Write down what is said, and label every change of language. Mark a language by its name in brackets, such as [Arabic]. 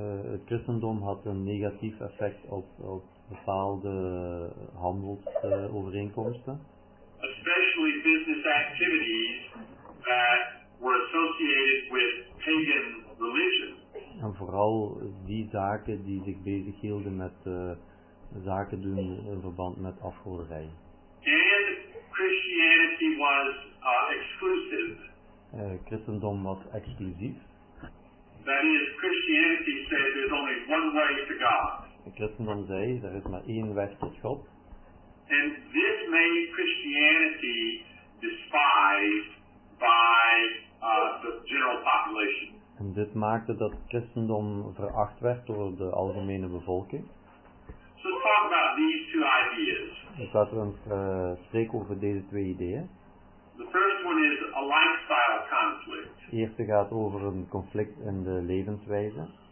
[Dutch] Het christendom had een negatief effect op bepaalde handelsovereenkomsten. [English] Especially business activities that were associated with pagan religion. [Dutch] En vooral die zaken die zich bezighielden met zaken doen in verband met afgoderij. [English] And Christianity was exclusive. [Dutch] Christendom was exclusief. [English] That is, Christianity said there's only one way to God. [Dutch] Christendom zei, er is maar één weg tot God. [English] And this made Christianity despised by the general population. [Dutch] En dit maakte dat christendom veracht werd door de algemene bevolking. [English] So talk about these two ideas. [Dutch] Dus laten we eens spreken over deze twee ideeën. [English] The first one is a lifestyle conflict. [Dutch] De eerste gaat over een conflict in de levenswijze.